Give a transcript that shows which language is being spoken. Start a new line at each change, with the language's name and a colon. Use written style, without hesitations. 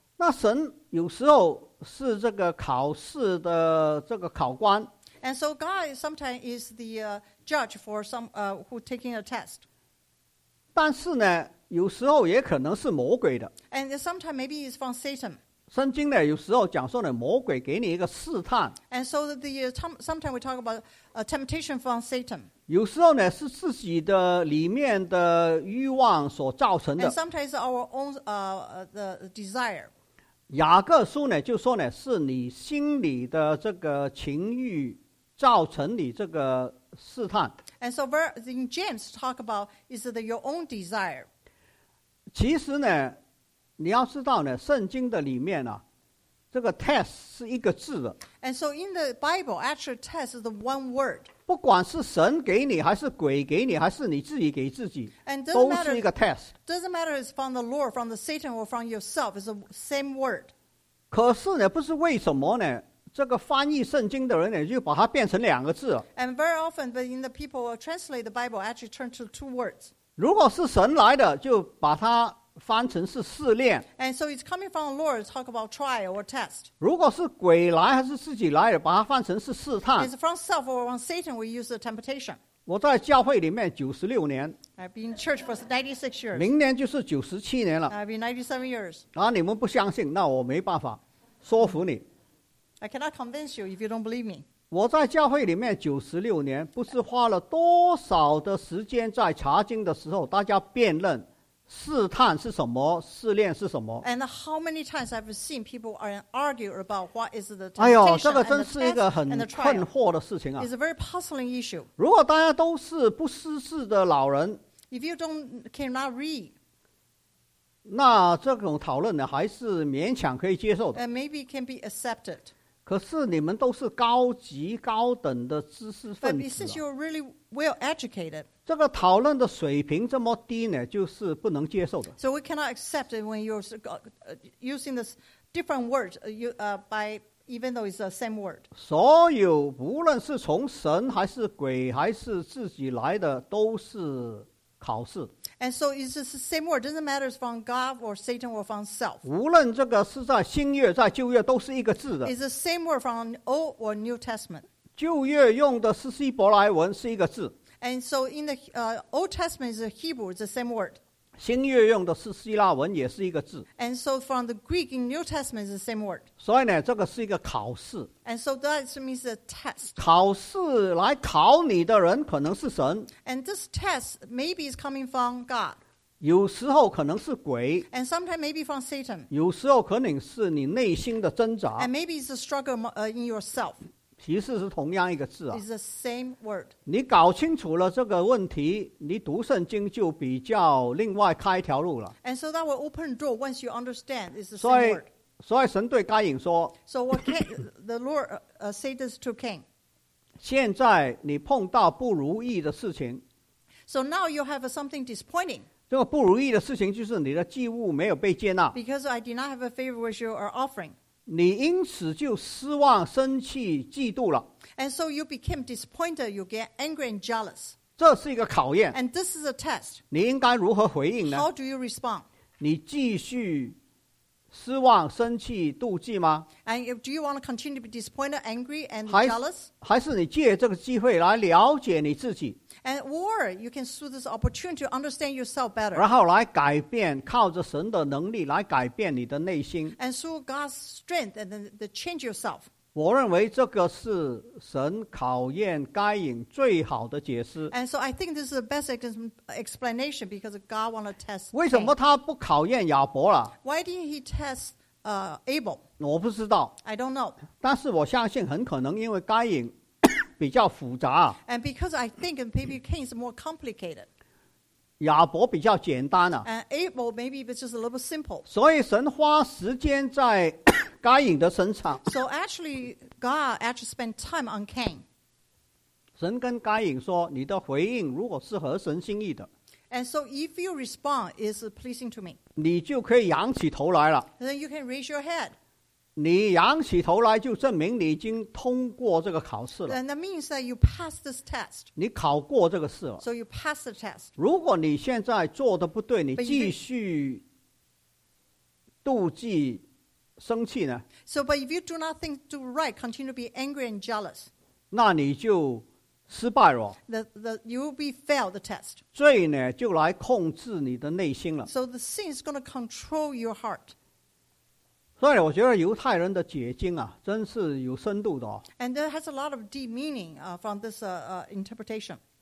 Chinese: 那神有时候是这个考试的这个考官。
English: And so God sometimes is the judge for some who taking a test.
Chinese: 但是呢，有时候也可能是魔鬼的。
English: And sometimes maybe it's from Satan.
Chinese: 圣经呢，有时候讲说呢，魔鬼给你一个试探。
English: And so sometimes we talk about a temptation from Satan.
Chinese: 有时候呢，是自己的里面的欲望所造成的。
English: And sometimes our own the desire.
Chinese: 雅各书呢就说呢是你心里的这个情欲造成你这个试探。
English: And so in James talk about is it your own desire?
Chinese: 其实呢你要知道呢圣经的里面啊这个 test 是一个字的。
English: And so in the Bible actually test is the one word.
Chinese: 不管是神给你还是鬼给你还是你自己给自己都是一个 test。
English: Doesn't matter if it's from the Lord, from the Satan, or from yourself. It's the same word.
Chinese: 可是呢，不是为什么呢？这个翻译圣经的人呢，就把它变成两个字。
English: And very often, but in the people translate the Bible, actually turn to two words.
Chinese: 如果是神来的，就把它翻成是试炼。
English: And so it's coming from the Lord. Talk about trial or test.
Chinese: 如果是鬼来还是自己来的，把它翻成是试探。
English: It's from self or from Satan. We use the temptation.
Chinese: 我在教会里面九十六年。
English: I've been in church for 96 years.
Chinese: 明年就是九十七年了。
English: I've been 97 years.
Chinese: 啊，你们不相信，那我没办法说服你。
English: I cannot convince you if you don't believe me.
Chinese: 我在教会里面九十六年，不是花了多少的时间在查经的时候，大家辩论。试探是什么？试炼是什么
English: ？And how many times I've seen people are argue about what is the temptation
Chinese: 哎呦，这个真是一个很困惑的事情啊
English: ！It's a very puzzling issue.
Chinese: 如果大家都是不识字的老人
English: ，If you don't cannot read，
Chinese: 那这种讨论呢，还是勉强可以接受的
English: ，and maybe can be accepted.
Chinese: 可是你们都是高级高等的知识分子、啊、
English: ，But since you're really well educated.
Chinese: 这个讨论的水平这么低呢，就是不能接受的。
English: So we cannot accept it when you're using this different word, by even though it's the same word.
Chinese: 所有无论是从神还是鬼还是自己来的，都是考试。
English: And so it's the same word. Doesn't matter from God or Satan or from self.
Chinese: 无论这个是在新约在旧约都是一个字的。
English: It's the same word from Old or New Testament.
Chinese: 旧约用的是希伯来文是一个字。
English: And so in the Old Testament is Hebrew, it's the same word.
Chinese: 新约用的是希腊文，也是一个字。
English: And so from the Greek in New Testament is the same word.
Chinese: 所以呢，这个是一个考试。
English: And so that means a test.
Chinese: 考试来考你的人可能是神。
English: And this test maybe is coming from God.
Chinese: 有时候可能是鬼。
English: And sometimes maybe from Satan.
Chinese: 有时候可能是你内心的挣扎。
English: And maybe it's a struggle in yourself.
Chinese: 其实是同样一个字啊。
English: It's the same word.
Chinese: 你搞清楚了这个问题，你读圣经就比较另外开一条路了。
English: And so that will open the door once you understand it's the same
Chinese: 所以,
English: word.
Chinese: 所以神对该隐说
English: So what Cain, the Lord said this to Cain.
Chinese: 现在你碰到不如意的事情。
English: So now you have something disappointing.
Chinese: 这个不如意的事情就是你的祭物没有被接纳。
English: Because I did not have a favor with your offering.
Chinese: 你因此就失望、生气、嫉妒了。
English: And so you became disappointed. You get angry and jealous.
Chinese: 这是一个考验。
English: And this is a test.
Chinese: 你应该如何回应呢
English: ？How do you respond?
Chinese: 你继续失望、生气、妒忌吗
English: ？And do you want to continue to be disappointed, angry, and jealous?
Chinese: 还是你借这个机会来了解你自己
English: ？And or you can use this opportunity to understand yourself better.
Chinese: 然后来改变，靠着神的能力来改变你的内心。
English: And through God's strength and then to change yourself.
Chinese: 我认为这个是神考验该隐最好的解释。
English: And so I think this is the best explanation because God wanted to test.
Chinese: 为什么他不考验亚伯了
English: ？Why didn't he test Abel?
Chinese: 我不知道。
English: I don't know.
Chinese: 但是我相信很可能因为该隐比较复杂。
English: And because I think maybe Cain is more complicated.
Chinese: 亚伯比较简单啊
English: And Abel maybe it's just a little simple.
Chinese: 所以神花时间在该隐的身上。
English: So actually, God actually spent time on Cain.
Chinese: 神跟该隐说：“你的回应如果是合神心意的
English: ，And so if you respond is pleasing to me,
Chinese: 你就可以仰起头来了。
English: Then you can raise your head.
Chinese: 你仰起头来就证明你已经通过这个考试了。
English: And that means that you passed this test.
Chinese: 你考过这个试了。
English: So you passed the test.
Chinese: 如果你现在做的不对，你继续妒忌。生气呢
English: ？So, but if you do not think do right, continue to be angry and jealous.
Chinese: 那你就失败了。
English: The you will be failed the test.
Chinese: 罪呢就来控制你的内心了。
English: So the sin is going to control your heart.
Chinese: 所以我觉得犹太人的解经啊，真是有深度的哦。
English: And there has a lot of deep meaning from this interpretation.